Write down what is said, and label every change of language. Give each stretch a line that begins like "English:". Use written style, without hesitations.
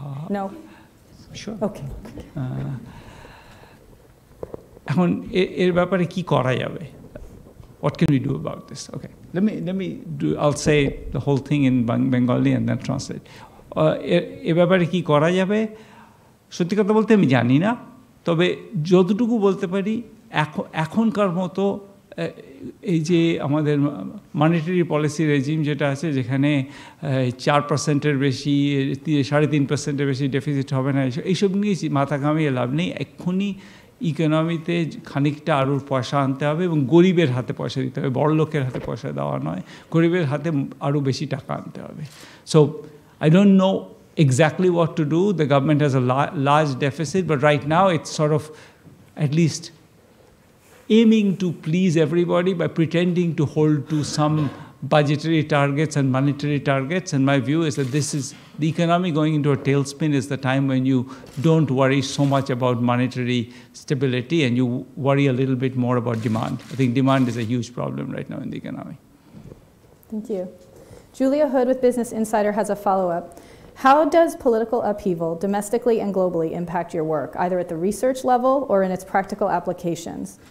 English: No? Sure. Okay.
Bangla: এখন এর ব্যাপারে কি করা যাবে?
English: What can we do about this? Okay. I'll say the whole thing in Bengali and then translate.
Bangla: এ ব্যাপারে কি করা যাবে? সত্যি কথা বলতে আমি জানি না। তবে যতটুকু বলতে পারি এখনকার মতো এই যে আমাদের মনিটারি পলিসি রেজিম যেটা আছে যেখানে 4%-এর বেশি 3.5%-এর বেশি ডেফিসিট হবে না এইসব নিয়ে মাথা ঘামিয়ে লাভ নেই এক্ষুনি ইকোনমিতে খানিকটা আরও পয়সা আনতে হবে এবং গরিবের হাতে পয়সা দিতে হবে বড় লোকের হাতে পয়সা দেওয়া নয় গরিবের হাতে আরও বেশি টাকা আনতে হবে so
English: I don't know exactly what to do the government has a large deficit but right now it's sort of at least aiming to please everybody by pretending to hold to some budgetary targets and monetary targets. And my view is that this is the economy going into a tailspin is the time when you don't worry so much about monetary stability and you worry a little bit more about demand. I think demand is a huge problem right now in the economy. Thank you. Julia Hood with Business Insider has a follow-up. How does political upheaval domestically and globally impact your work, either at the research level or in its practical applications?